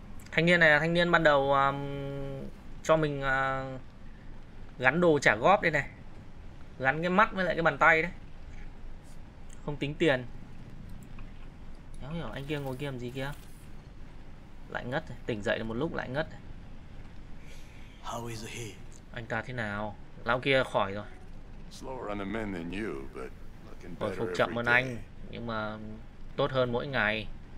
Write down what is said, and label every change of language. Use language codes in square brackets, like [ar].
[vi] Thanh niên này là thanh niên ban đầu cho mình gắn đồ trả góp đây này. Gắn cái mắt với lại cái bàn tay đấy. Không tính tiền. Không hiểu anh kia ngồi kia làm gì kia. Lại ngất, tỉnh dậy được một lúc lại ngất. [en] How is he? [vi] Anh ta thế nào? Lão kia khỏi rồi. [en] Slower on the men than you, but looking better. [vi] Phục chậm hơn anh, nhưng mà tốt hơn mỗi ngày.